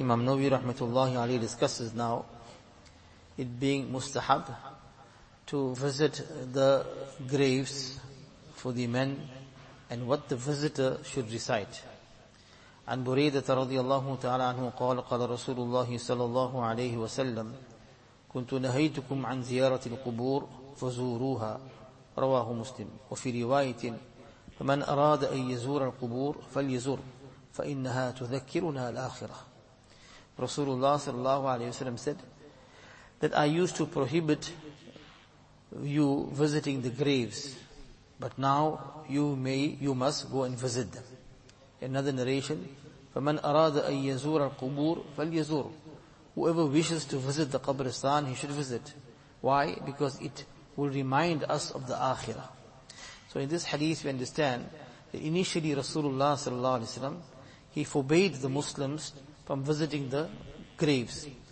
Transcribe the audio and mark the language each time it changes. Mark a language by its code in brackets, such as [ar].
[en] Imam Nawawi rahmatullahi alayhi discusses now it being mustahab to visit the graves for the men and what the visitor should recite. [ar] An Buraydah radiyallahu ta'ala anhu qala Rasulullah sallallahu alayhi wa sallam كنت نهيتكم عن زيارة القبور فزوروها رواه مسلم وفي رواية فمن أراد أن يزور القبور فليزور فإنها تذكرنا الآخرة. [en] رسول الله صلى الله عليه وسلم said that I used to prohibit you visiting the graves, but now you must go and visit them. [ar] Another narration, فمن أراد أن يزور القبور فليزور. [en] Whoever wishes to visit the Qabristan, he should visit. Why? Because it will remind us of the Akhirah. So in this hadith we understand that initially Rasulullah sallallahu alaihi wasallam, he forbade the Muslims from visiting the graves.